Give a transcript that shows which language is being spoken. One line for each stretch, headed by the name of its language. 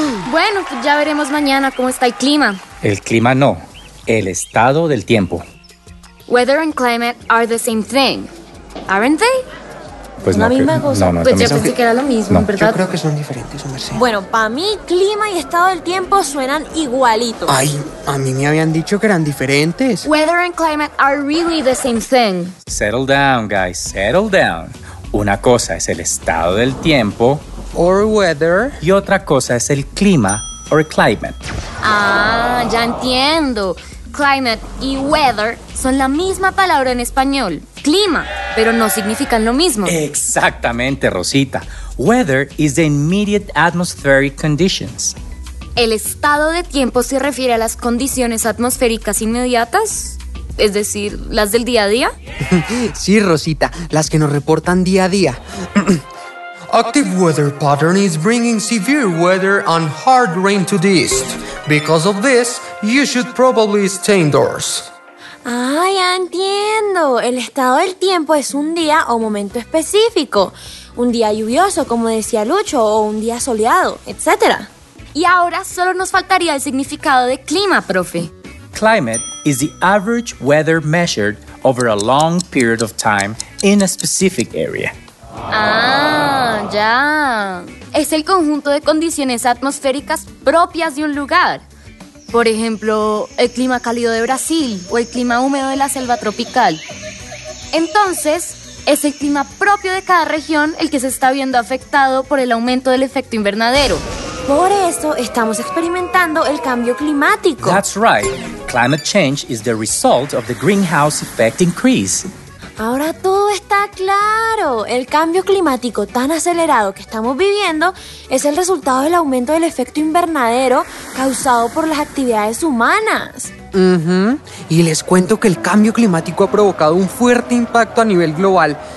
Spanish: Bueno, pues ya veremos mañana cómo está el clima. El clima no, el estado del tiempo.
English: Weather and climate are the same thing, aren't they?
Spanish: Pues no, la misma cosa. No, pues yo pensé que era lo mismo, ¿verdad? Yo creo que son diferentes, Mercedes. Bueno, para mí, clima y estado del tiempo suenan igualitos. Ay, a mí me habían dicho que eran diferentes.
English: Weather and climate are really the same thing. Settle down, guys, settle down.
Spanish: Una cosa es el estado del tiempo,
English: or weather,
Spanish: y otra cosa es el clima,
English: or climate.
Spanish: Ah, ya entiendo. Climate y weather son la misma palabra en español, clima, pero no significan lo mismo.
English: Exactamente, Rosita. Weather is the immediate atmospheric conditions.
Spanish: ¿El estado de tiempo se refiere a las condiciones atmosféricas inmediatas? Es decir, ¿las del día a día? Sí, Rosita, las que nos reportan día a día.
English: Active weather pattern is bringing severe weather and hard rain to the east. Because of this, you should probably stay indoors.
Spanish: Ah, ya entiendo. El estado del tiempo es un día o momento específico. Un día lluvioso, como decía Lucho, o un día soleado, etc. Y ahora solo nos faltaría el significado de clima, profe.
English: Climate is the average weather measured over a long period of time in a specific area.
Spanish: Ah, ya. Es el conjunto de condiciones atmosféricas propias de un lugar. Por ejemplo, el clima cálido de Brasil o el clima húmedo de la selva tropical. Entonces, es el clima propio de cada región el que se está viendo afectado por el aumento del efecto invernadero. Por eso estamos experimentando el cambio climático.
English: That's right. Climate change is the result of the greenhouse effect increase.
Spanish: Ahora todo está claro. El cambio climático tan acelerado que estamos viviendo es el resultado del aumento del efecto invernadero causado por las actividades humanas. Y les cuento que el cambio climático ha provocado un fuerte impacto a nivel global.